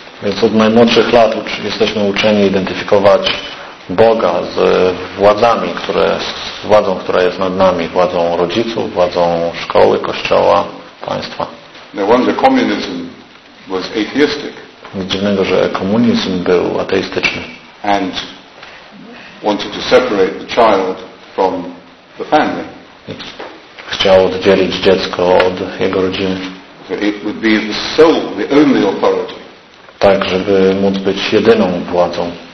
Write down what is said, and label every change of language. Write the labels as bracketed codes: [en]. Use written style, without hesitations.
[pl] Więc od najmłodszych lat jesteśmy uczeni identyfikować Boga z władzami, które, z władzą, która jest nad nami, władzą rodziców, władzą szkoły, kościoła, państwa. [en] No wonder communism was atheistic. [pl] Nic dziwnego, że komunizm był ateistyczny. [en] And wanted to separate the child from the family. [pl] Chciał oddzielić dziecko od jego rodziny. [en] So it would be the sole, the only authority. [pl] Tak, żeby móc być jedyną władzą.